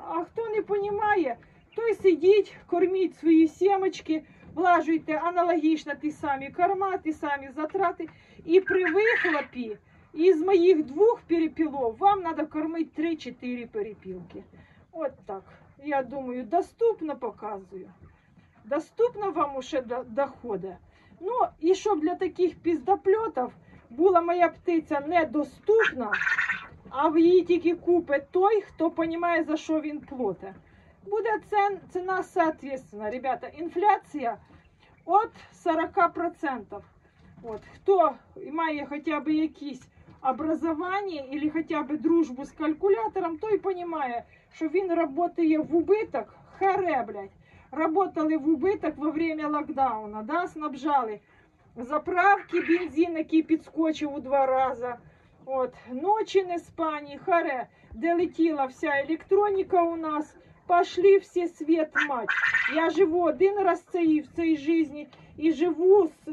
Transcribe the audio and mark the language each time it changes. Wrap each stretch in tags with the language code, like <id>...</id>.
<uk>А хто не понімає, той сидіть, корміть свої сімочки, влажуйте аналогічно ті самі корма, ті самі затрати. І при вихлопі із моїх двох перепілов вам треба кормити 3-4 перепілки. От так. Я думаю, доступно показую. Доступно вам уже доходи. Ну, і щоб для таких піздопльотів була моя птиця недоступна, а в її тільки купить той, хто понімає, за що він плоте. Буде ціна відповідальна, ребята. Інфляція від 40%. От. Хто має хоча б якісь образування або хоча б дружбу з калькулятором, той понімає, що він працює в убиток, хере, блядь.</uk> <ru>Работали в убиток во время локдауна, да, снабжали.</ru> <uk>Заправки, бензин, який підскочив у два рази. От, ночі не спані, харе, де летіла вся електроніка у нас, пошли всі світ мать. Я живу один раз в цій житті і живу</uk>